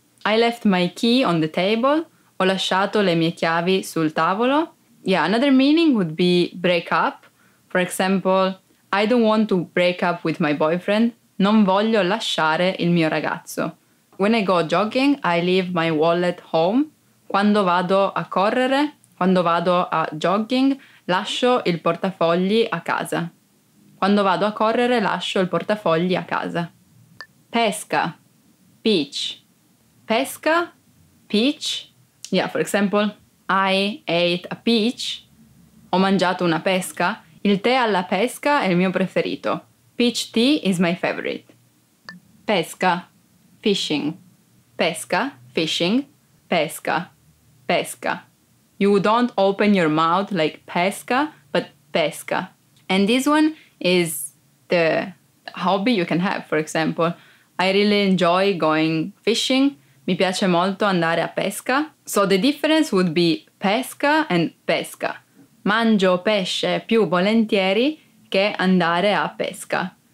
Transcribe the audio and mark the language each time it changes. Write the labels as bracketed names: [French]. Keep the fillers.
[English] I left my key on the table. [Italian] Ho lasciato le mie chiavi sul tavolo [English] yeah, another meaning would be break up. For example, I don't want to break up with my boyfriend. [Italian] Non voglio lasciare il mio ragazzo. [English] When I go jogging, I leave my wallet home. [Italian] Quando vado a correre, vado a jogging, lascio il portafogli a casa. Quando vado a correre, lascio il portafogli a casa. Pesca. Peach. Pesca. Peach. [English] Yeah, for example, I ate a peach. [Italian] Ho mangiato una pesca. Il tè alla pesca è il mio preferito. [English] Peach tea is my favorite. Pesca. Fishing. Pesca. Fishing. Pesca. Pesca. You don't open your mouth like pesca, but pesca. And this one is the hobby you can have, for example. I really enjoy going fishing. [Italian] Mi piace molto andare a pesca. [English] So the difference would be pesca and pesca. [Italian] Mangio pesce più volentieri che andare a pesca.